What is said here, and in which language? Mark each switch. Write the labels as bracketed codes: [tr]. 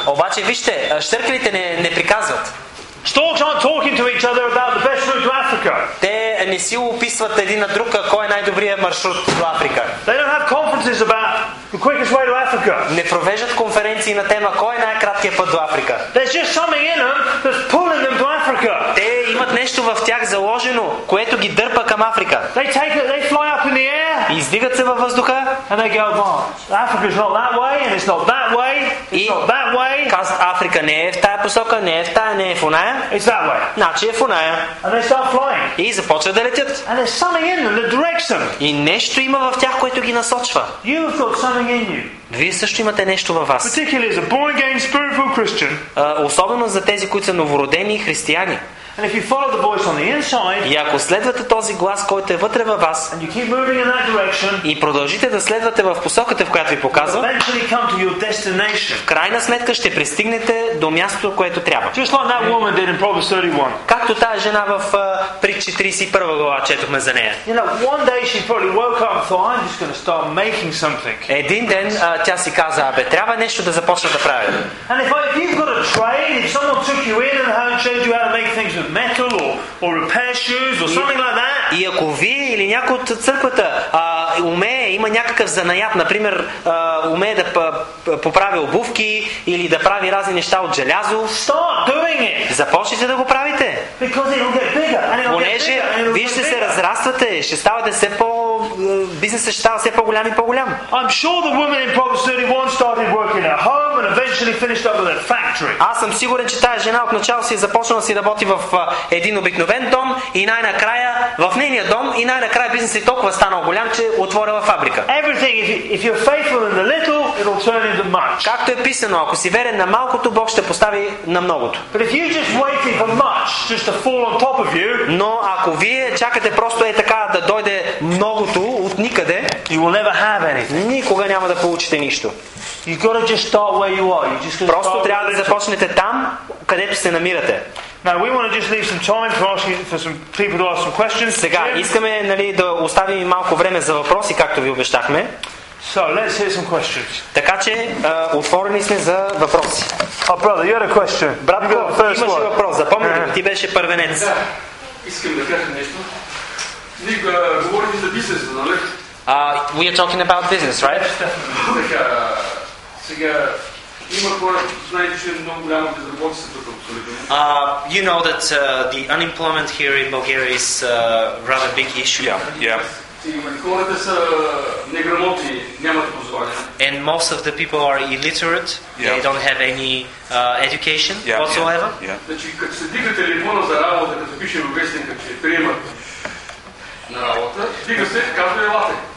[bg] Обаче вижте, штъркелите не приказват. [en] Storks aren't talking to each other about the best route to Africa. [bg] Те не си описват един на друг кой е най-добрият маршрут до Африка. [en] They don't have conferences about the quickest way to Africa. [bg] Не провеждат конференции на тема кой е най-краткият път до Африка. [en] There's just something in them that's pulling them to Africa. [bg] Те имат нещо в тях заложено, което ги дърпа към Африка. [en] They fly up in the air. [bg] Издигат се във въздуха. [en] And they go, well, Africa's not that way, and it's not that way, it's not that way. [bg] Казват, Африка не е в тая посока, не е в тая, не е в оная. [en] It's that way. [bg] Значи е в оная. [en] And they start flying. [bg] И започват да летят. [en] And there's something in them that directs them. [bg] И нещо има в тях, което ги насочва. [en] You've got something in you. [bg] Вие също имате нещо във вас. [en] Particularly as a born again spiritual Christian. [bg] Особено за тези, които са новородени християни. [en] And if you follow the voice on the inside, [bg] и ако следвате този глас, който е вътре във вас, [en] and you keep moving in that direction, [bg] и продължите да следвате в посоката, в която ви показва, [en] you'll eventually come to your destination. [bg] В крайна сметка ще пристигнете до мястото, което трябва. [en] Just like that woman did in Proverbs 31. [bg] Както тази жена в притчи 31 глава четохме за нея. [en] You know, one day she probably woke up and thought, I'm just going to start making something. [bg] Един ден тя си каза, абе, трябва нещо да започна да правя. [en] And if you've got a trade, if someone took you in and showed you how to make things with metal or repair shoes or something like that. [bg] И ако вие или някой от църквата умее, има някакъв занаят, например, умее да поправи обувки или да прави разни неща от желязо, [en] start doing it. [bg] Започнете да го правите. [en] Because it'll get bigger and it'll [bg] Понеже вижте се разраствате, ще ставате все по бизнесът ще става все по-голям и по-голям. [en] I'm sure the woman in Proverbs 31 started working at home and eventually finished up with a factory. [bg] Аз съм сигурен, че тая жена отначало си е започнала си работи в един обикновен дом и най-накрая в нейния дом и най-накрая бизнесът е толкова станал голям, че отворила фабрика. [en] Everything, if you're faithful in the little, it'll turn into much. [bg] Както е писано, ако си верен на малкото, Бог ще постави на многото. [en] But if you just wait for much just to fall on top of you, [bg] но ако вие чакате просто е така да дойде многото от никъде, [en] you will never have anything. [bg] Никога няма да получите нищо. [en] You gotta just start where you are. You just [bg] просто трябва да започнете там, където се намирате. [en] Now we want to just leave some time for asking for some people to ask some questions. [bg] Сега искаме, нали, да оставим малко време за въпроси, както ви обещахме. [en] So let's hear some questions. [bg] Така че отворени сме за въпроси. [en] Oh brother, you had a question. [bg] Брат, имаше въпрос. Запомни, ти беше първенец. Искам да кажа нещо. Ние говорим за бизнес, нали? [en] We are talking about business, right? [bg] Така, сега има хора, знаете, че много голяма безработица тук абсолютно. [en] You know that the unemployment here in Bulgaria is a rather big issue. [bg] Хората са неграмотни, нямат образование. [en] And most of the people are illiterate. They don't have any education whatsoever. [bg] Значи, като се дигате телефона за работа, като пише във вестника, че приемат на работа, дига се, казва и лате.